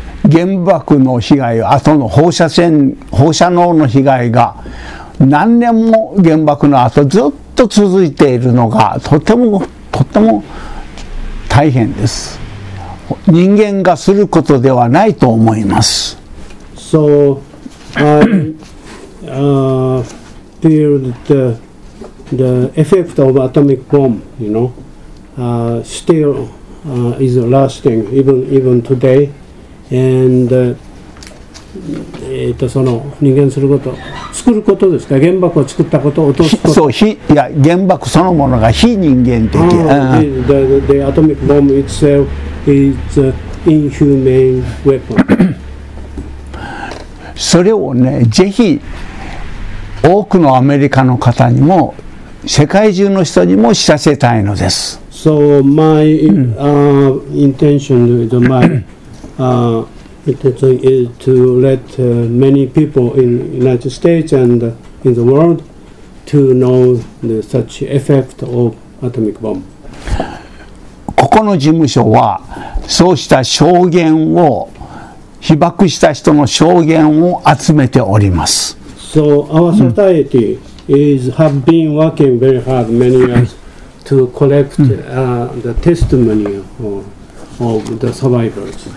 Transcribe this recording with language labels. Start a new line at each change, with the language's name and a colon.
Japanese: 原爆の被害、あとの放射線、放射能の被害が何年も原爆の後ずっと続いているのがとてもとても大変です。人間がすることではないと思います。
English: So I feel the effect of atomic bomb, you know, still is lasting even today.
Japanese: And, その人間すること作ることですか、原爆を作ったこと落とすこと、そう、いや原爆そのものが非人間的、
English: the atomic bomb itself is an inhuman weapon.
Japanese: それをね、ぜひ多くのアメリカの方にも世界中の人にも知らせたいのです。
English: So my intention is myIt is to let many people in the United States and in the world to know the such effect of atomic bomb.
Japanese: ここの事務所はそうした証言を、被爆した人の証言を集めております。
English: So our society have been working very hard many years to collect the testimony of the survivors.